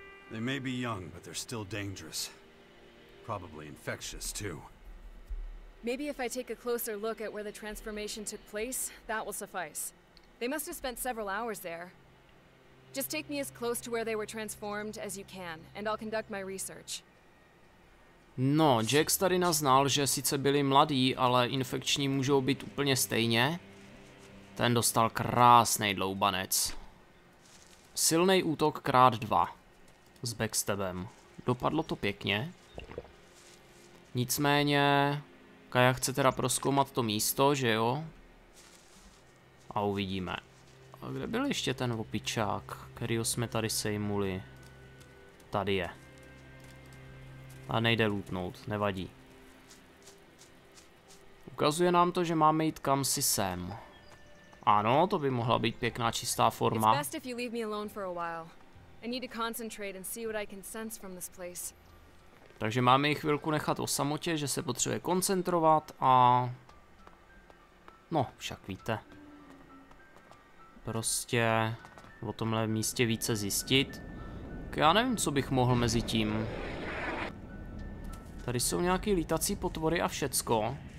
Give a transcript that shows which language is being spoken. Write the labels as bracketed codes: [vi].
[en] They may be young, but they're still dangerous. Probably infectious too. Maybe if I take a closer look at where the transformation took place, that will suffice. They must have spent several hours there. Just take me as close to where they were transformed as you can, and I'll conduct my research. [cs] No, Jax tady naznal, že sice byli mladí, ale infekční můžou být úplně stejně. Ten dostal krásný dloubanec. Silný útok krát dva. S backstabem. Dopadlo to pěkně. Nicméně... Kaja chce teda prozkoumat to místo, že jo? A uvidíme. A kde byl ještě ten opičák, kterýho jsme tady sejmuli? Tady je. a nejde lootnout, nevadí. Ukazuje nám to, že máme jít kamsi sem. Ano, to by mohla být pěkná čistá forma. [en] It's best if you leave me alone for a while. I need to concentrate and see what I can sense from this place. [cs] Takže máme jich chvilku nechat o samotě, že se potřebuje koncentrovat a... No, však víte. Prostě o tomhle místě více zjistit. Já nevím, co bych mohl mezi tím. Tady jsou nějaký lítací potvory a všecko.